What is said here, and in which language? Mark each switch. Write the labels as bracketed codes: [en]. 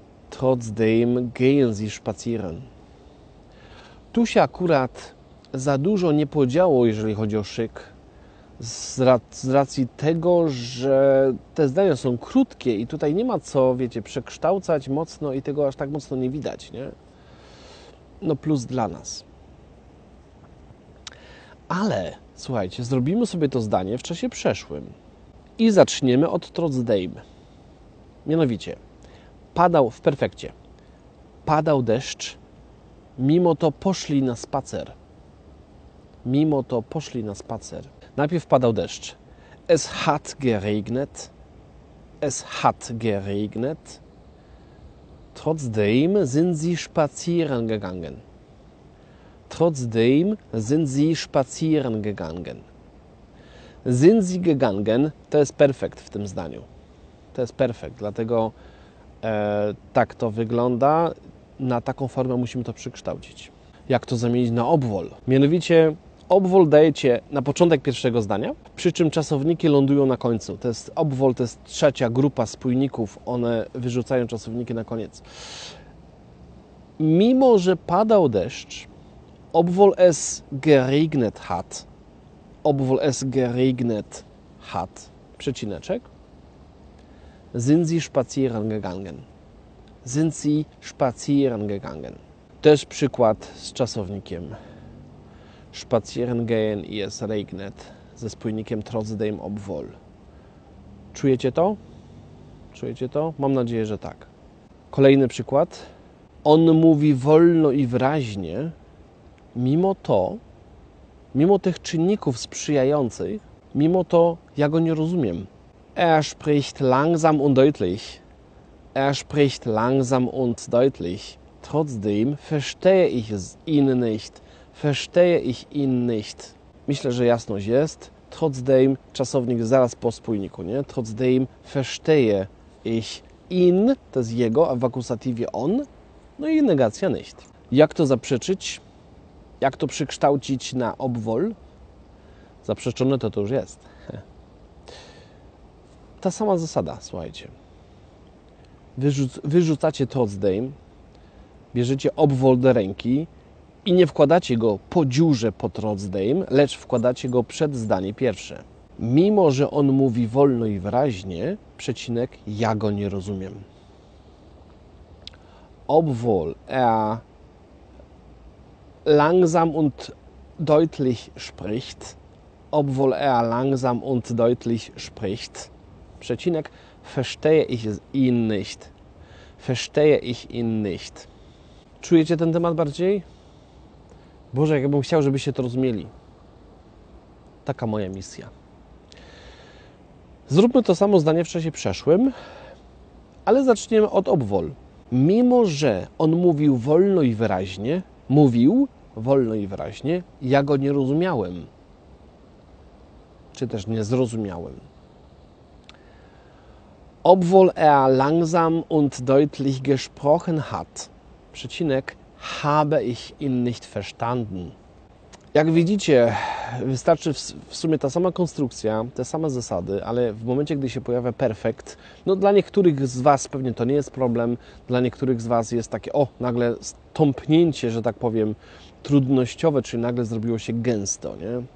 [de] Trotzdem gehen sie spazieren. [pl] Tu się akurat za dużo nie podziało, jeżeli chodzi o szyk. Z racji tego, że te zdania są krótkie i tutaj nie ma co, wiecie, przekształcać mocno i tego aż tak mocno nie widać, nie? No plus dla nas. Ale, słuchajcie, zrobimy sobie to zdanie w czasie przeszłym i zaczniemy od trotzdem. Mianowicie, padał w perfekcie. Padał deszcz, mimo to poszli na spacer. Mimo to poszli na spacer. Najpierw padał deszcz. [de] Es hat geregnet. Es hat geregnet. Trotzdem sind sie spazieren gegangen. Trotzdem sind sie spazieren gegangen. Sind sie gegangen. [pl] To jest perfekt w tym zdaniu. To jest perfekt. Dlatego tak to wygląda. Na taką formę musimy to przekształcić. Jak to zamienić na obwohl? Mianowicie obwol dajecie na początek pierwszego zdania, przy czym czasowniki lądują na końcu. To jest obwol, to jest trzecia grupa spójników, one wyrzucają czasowniki na koniec. Mimo że padał deszcz, [de] obwol es geregnet hat, obwol es geregnet hat, przecineczek, sind sie spazieren gegangen. Sind sie spazieren gegangen. [pl] Też przykład z czasownikiem. Spazieren gehen i es regnet ze spójnikiem trotzdem obwohl. Czujecie to? Czujecie to? Mam nadzieję, że tak. Kolejny przykład. On mówi wolno i wyraźnie, mimo to, mimo tych czynników sprzyjających, mimo to ja go nie rozumiem. [de] Er spricht langsam und deutlich. Er spricht langsam und deutlich. Trotzdem verstehe ich ihn nicht. Verstehe ich ihn nicht. [pl] Myślę, że jasność jest. Trotzdem, czasownik zaraz po spójniku, nie? [de] Trotzdem verstehe ich ihn, [pl] to jest jego, a w akusatywie on, no i negacja nicht. Jak to zaprzeczyć? Jak to przekształcić na obwol? Zaprzeczone to już jest. Ta sama zasada, słuchajcie. Wyrzucacie trotzdem, bierzecie obwol do ręki, i nie wkładacie go po dziurze po trotzdem, lecz wkładacie go przed zdanie pierwsze. Mimo że on mówi wolno i wyraźnie, przecinek, ja go nie rozumiem. [de] Obwohl er langsam und deutlich spricht, obwohl er langsam und deutlich spricht, przecinek, verstehe ich ihn nicht. Verstehe ich ihn nicht. [pl] Czujecie ten temat bardziej? Boże, jakbym chciał, żebyście to rozumieli. Taka moja misja. Zróbmy to samo zdanie w czasie przeszłym, ale zaczniemy od obwol. Mimo że on mówił wolno i wyraźnie, mówił wolno i wyraźnie, ja go nie rozumiałem. Czy też nie zrozumiałem. [de] Obwol er langsam und deutlich gesprochen hat. Przecinek. Habe ich ihn nicht verstanden. [pl] Jak widzicie, wystarczy w sumie ta sama konstrukcja, te same zasady, ale w momencie, gdy się pojawia perfekt, no dla niektórych z Was pewnie to nie jest problem, dla niektórych z Was jest takie, o, nagle stąpnięcie, że tak powiem, trudnościowe, czyli nagle zrobiło się gęsto, nie?